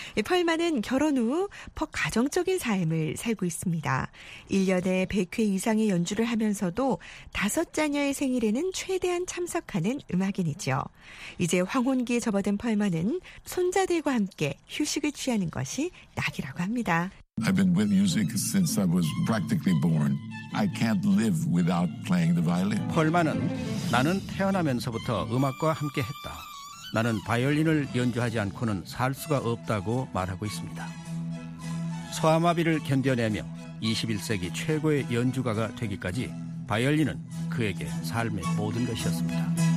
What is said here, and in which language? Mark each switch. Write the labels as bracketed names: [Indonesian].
[Korean] 펄만은 결혼 후 가정적인 삶을 살고 있습니다. 1년에 100회 이상의 연주를 하면서도 다섯 자녀의 생일에는 최대한 참석하는 음악인이죠. 이제 황혼기에 접어든 펄만은 손자들과 함께 휴식을 취하는 것이 낙이라고 합니다. [English] I've been with music since I was practically born. I can't live without playing the violin. [Korean] 펄만은 나는 태어나면서부터 음악과 함께 했다. 나는 바이올린을 연주하지 않고는 살 수가 없다고 말하고 있습니다. 소아마비를 견뎌내며 21세기 최고의 연주가가 되기까지 바이올린은 그에게 삶의 모든 것이었습니다.